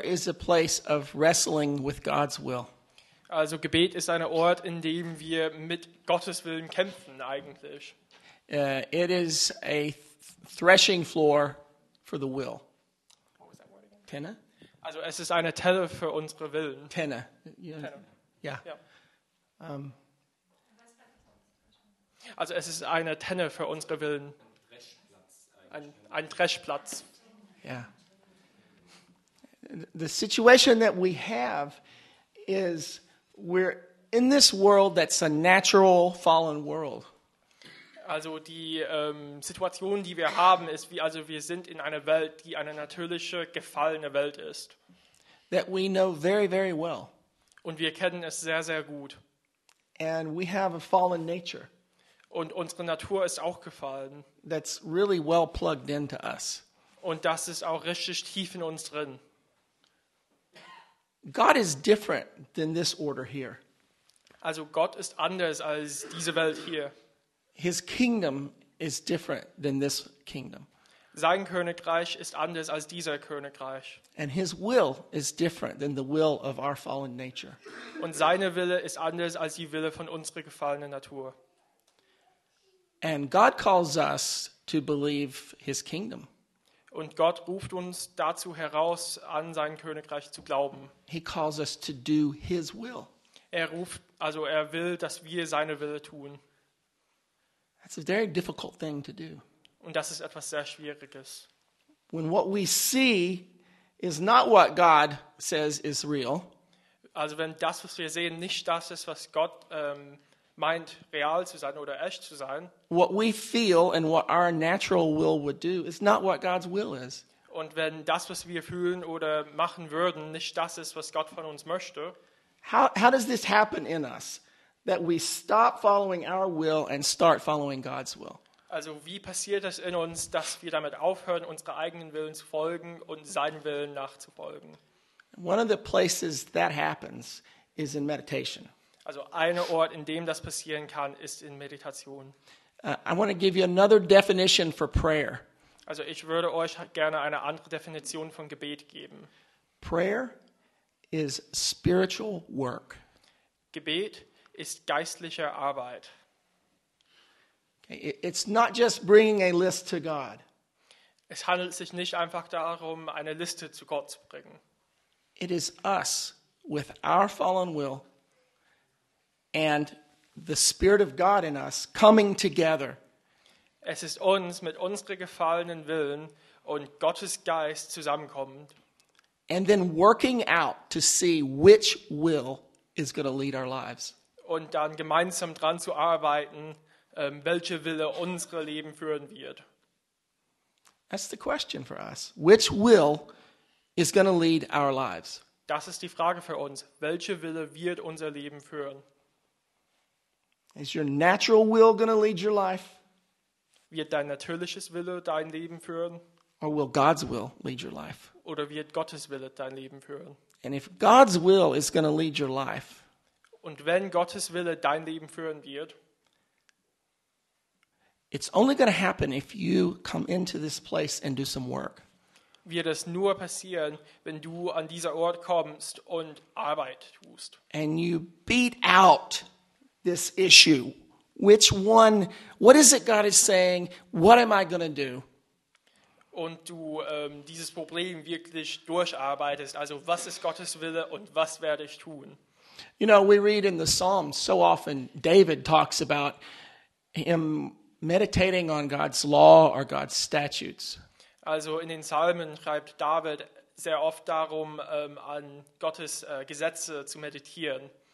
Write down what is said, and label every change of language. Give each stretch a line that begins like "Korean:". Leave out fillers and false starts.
English: is a place of wrestling with God's will.
German: Also Gebet ist ein Ort, in dem wir mit Gottes Willen kämpfen eigentlich.
English: It is a threshing floor for the will. What was that word again? Tenne?
German: Also es ist eine Telle für unsere Willen. Tenne.
English: Yeah. Tenne. Yeah.
German: Also es ist eine Tenne für unsere Willen. Ein Dreschplatz.
English: Yeah. The situation that we have is we're in this world that's a natural fallen world.
German: Also die Situation, die wir haben, ist wie also wir sind in einer Welt, die eine natürliche gefallene Welt ist.
English: That we know very very well.
German: Und wir kennen es sehr, sehr gut.
English: And we have a fallen nature.
German: Und unsere Natur ist auch gefallen.
English: That's really well plugged into us.
German: Und das ist auch richtig tief in uns drin.
English: God is different than this order here.
German: Also Gott ist anders als diese Welt hier.
English: His kingdom is different than this kingdom.
German: Sein Königreich ist anders als dieser Königreich.
English: And his will is different than the will of our fallen nature.
German: Und seine Wille ist anders als die Wille von unserer gefallenen Natur.
English: And God calls us to believe his kingdom.
German: Und Gott ruft uns dazu heraus, an sein Königreich zu glauben.
English: He calls us to do his will.
German: Er will, dass wir seine Wille tun.
English: That's a very difficult thing to do.
German: Und das ist etwas sehr Schwieriges.
English: When what we see is not what God says is real.
German: Also wenn das, was wir sehen, nicht das ist, was Gott meint, real zu sein oder echt zu sein.
English: What we feel and what our natural will would do is not what God's will is.
German: Und wenn das, was wir fühlen oder machen würden, nicht das ist, was Gott von uns möchte.
English: How does this happen in us, that we stop following our will and start following God's will?
German: Also wie passiert es in uns, dass wir damit aufhören, unsere eigenen Willen zu folgen und seinen Willen nachzufolgen?
English: One of the places that happens is in meditation.
German: Also ein Ort, in dem das passieren kann, ist in Meditation.
English: I want to give you another definition for prayer.
German: Also ich würde euch gerne eine andere Definition von Gebet geben.
English: Prayer is spiritual work.
German: Gebet ist geistliche Arbeit.
English: It's not just bringing a list to God.
German: Es handelt sich nicht einfach darum, eine Liste zu Gott zu bringen.
English: It is us with our fallen will and the Spirit of God in us coming together.
German: Es ist uns mit unserem gefallenen Willen und Gottes Geist zusammenkommend.
English: And then working out to see which will is going to lead our lives.
German: Und dann gemeinsam dran zu arbeiten, welche Wille unsere Leben führen wird.
English: That's the question for us. Which will is going to lead our lives?
German: Das ist die Frage für uns. Welche Wille wird unser Leben führen?
English: Is your natural will going to lead your life?
German: Wird dein natürliches Wille dein Leben führen?
English: Or will God's will lead your life?
German: Oder wird Gottes Wille dein Leben führen?
English: And if God's will is going to lead your life,
German: und wenn Gottes Wille dein Leben führen wird,
English: it's only going to happen if you come into this place and do some work.
German: Wird es nur passieren, wenn du an dieser Ort kommst und Arbeit tust.
English: And you beat out this issue. Which one, what is it God is saying? What am I going to do?
German: Und du dieses Problem wirklich durcharbeitest. Also was ist Gottes Wille und was werde ich tun?
English: You know, we read in the Psalms so often, David talks about him meditating on God's law or God's statutes.
German: Also in den Psalmen schreibt David sehr oft darum, an Gottes Gesetze zu meditieren.